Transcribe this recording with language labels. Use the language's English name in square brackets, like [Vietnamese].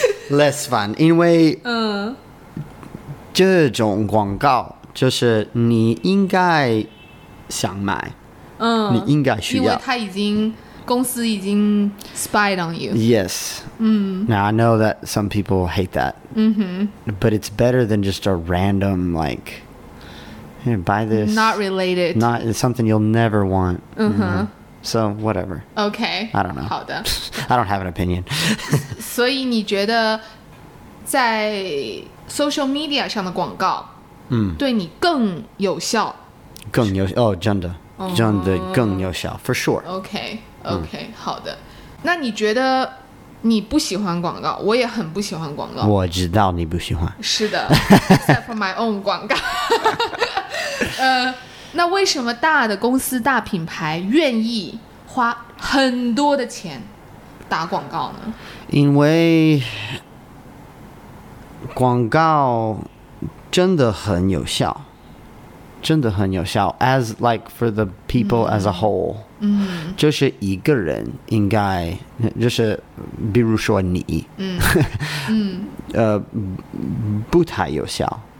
[Chinese] less 烦，因为这种广告就是你应该想买，你应该需要，因为他已经公司已经 [English] spied on you. Yes. Now I know that some people hate that. But it's better than just a random like, buy this. Not related. Not something you'll never want. So whatever. Okay. I don't know. [Chinese] 好的。 [English] I don't have an opinion. [Chinese] 所以你觉得在 social media 上的广告，对你更有效？更有效，真的，真的更有效 ， [English] for sure. [Chinese] OK, 好的。那你觉得你不喜欢广告？我也很不喜欢广告。我知道你不喜欢。是的， [English] except for my own [Chinese] 广告。那为什么大的公司、大品牌愿意花很多的钱打广告呢？因为广告真的很有效。真的很有效 [English] as like for the people as a whole. [Chinese] 就是一个人应该就是比如说你不太有效。